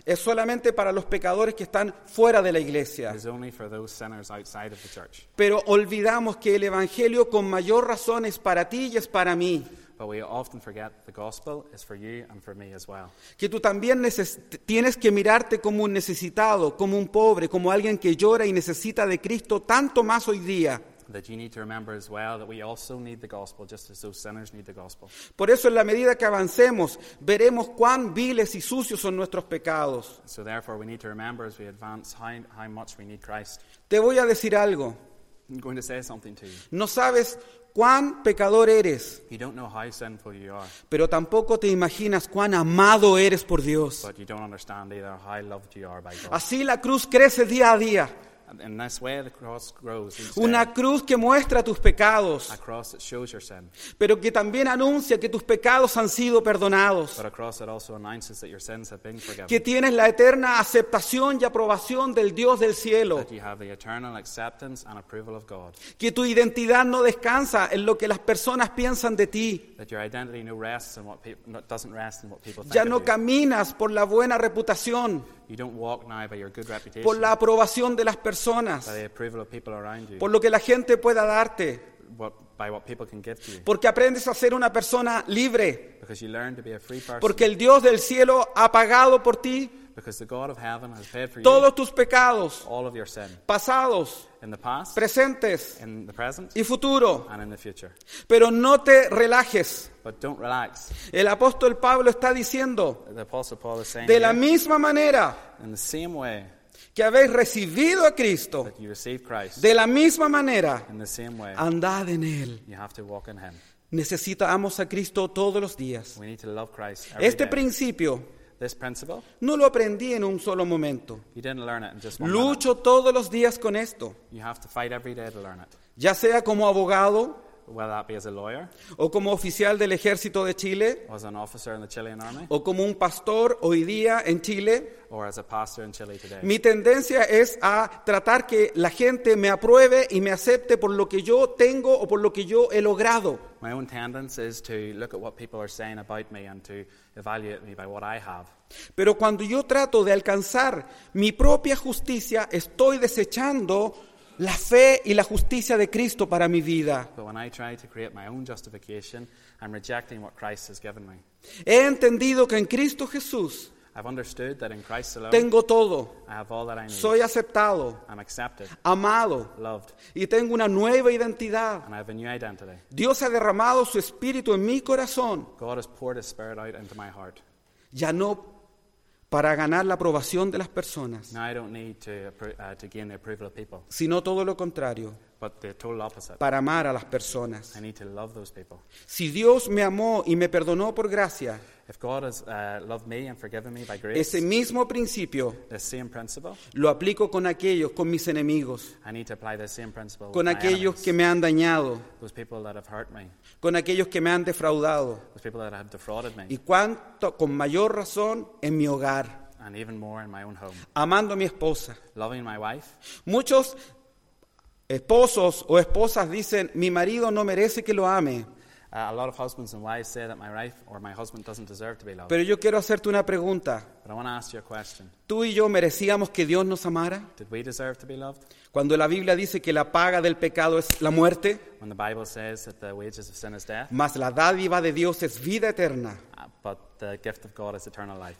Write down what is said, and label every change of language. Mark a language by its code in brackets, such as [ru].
[es] es solamente para los pecadores que están fuera de la iglesia. [en] Is only for those sinners outside of the church. [es] Pero olvidamos que el Evangelio con mayor razón es para ti y es para mí. [en] But we often forget the gospel is for you and for me as well. [es] Que tú también tienes que mirarte como un necesitado, como un pobre, como alguien que llora y necesita de Cristo tanto más hoy día. [en] That you need to remember as well that we also need the gospel just as those sinners need the gospel. [es] Por eso en la medida que avancemos veremos cuán viles y sucios son nuestros pecados. [en] So therefore we need to remember as we advance how much we need Christ. [es] Te voy a decir algo. [en] I'm going to say something to you. [es] No sabes cuán pecador eres. [en] You don't know how sinful you are. [es] Pero tampoco te imaginas cuán amado eres por Dios. [en] But you don't understand either how loved you are by God. [es] Así la cruz crece día a día. [en] In this way, the cross grows. [es] Una cruz que muestra tus pecados. [en] A cross that shows your sin. [es] Pero que también anuncia que tus pecados han sido perdonados. [en] But a cross that also announces that your sins have been forgiven. [es] Que tienes la eterna aceptación y aprobación del Dios del cielo. [en] That you have the eternal acceptance and approval of God. [es] Que tu identidad no descansa en lo que las personas piensan de ti. [en] That your identity no rests in what doesn't rest in what people think. [es] Ya no caminas por la buena reputación. [en] You don't walk now by your good reputation. [es] Por la aprobación de las personas. [en] By the approval of people around you. [es] Por lo que la gente pueda darte. [en] By what people can give to you. [es] Porque aprendes a ser una persona libre. [en] Because you learn to be a free person. [es] Porque el Dios del cielo ha pagado por ti. [en] Because the God of heaven has paid for you. [es] Todos tus pecados. [en] All of your sin. [es] Pasados. [en] In the past. [es] Presentes. [en] In the present. [es] Y futuro. [en] And in the future. [es] Pero no te relajes. [en] But don't relax. [es] El apóstol Pablo está diciendo. [en] The apostle Paul is saying. [es] De la misma manera. [en] In the same way. [es] Que habéis recibido a Cristo. [en] That you received Christ. [es] De la misma manera. [en] In the same way. [es] Andad en él. [en] You have to walk in him. [es] Necesitamos a Cristo todos los días. [en] We need to love Christ every este day. [es] Principio [en] This principle, [es] no lo aprendí en un solo momento. [en] You didn't learn it in just one [es] Lucho [en] moment. [es] Todos los días con esto. [en] You have to fight every day to learn it. [es] Ya sea como abogado, [en] whether that be as a lawyer, [es] o como oficial del ejército de Chile, [en] or as an officer in the Chilean army, [es] o como un pastor hoy día en Chile, [en] or as a pastor in Chile today. [es] Mi tendencia es a tratar que la gente me apruebe y me acepte por lo que yo tengo o por lo que yo he logrado. [en] My own tendency is to look at what people are saying about me and to evaluate me by what I have. [es] Pero cuando yo trato de alcanzar mi propia justicia, estoy desechando la fe y la justicia de Cristo para mi vida. [en] But when I try to create my own justification, I'm rejecting what Christ has given me. [es] He entendido que en Cristo Jesús, [en] I've understood that in Christ alone, [es] tengo todo. [en] I have all that I need. [es] Soy aceptado. [en] I'm accepted. [es] Amado. [en] Loved. [es] Y tengo una nueva identidad. [en] And I have a new identity. [es] Dios ha derramado su espíritu en mi corazón. [en] God has poured his spirit out into my heart. [es] Ya no para ganar la aprobación de las personas. [en] No, I don't need to gain the approval of people. [es] Sino todo lo contrario. [en] But the total opposite. [es] Para amar a las personas. [en] I need to love those people. [es] Si Dios me amó y me perdonó por gracia. [en] If God has loved me and forgiven me by grace. [es] Ese mismo principio. [en] The same principle. [es] Lo aplico con aquellos, con mis enemigos. [en] I need to apply the same principle. [es] Con [en] with [es] aquellos [en] my enemies, [es] que me han dañado. [en] Those people that have hurt me. [es] Con aquellos que me han defraudado. [en] Those people that have defrauded me. [es] Y cuánto, con mayor razón, en mi hogar. [en] And even more in my own home. [es] Amando a mi esposa. [en] Loving my wife. [es] Muchos esposos o esposas dicen, mi marido no merece que lo ame. [en] A lot of husbands and wives say that my wife or my husband doesn't deserve to be loved. [es] Pero yo quiero hacerte una pregunta. [en] But I want to ask you a question. [es] ¿Tú y yo merecíamos que Dios nos amara? [en] Did we deserve to be loved? [es] Cuando la Biblia dice que la paga del pecado es la muerte. [en] When the Bible says that the wages of sin is death. [es] Mas la dádiva de Dios es vida eterna. [en] But the gift of God is eternal life.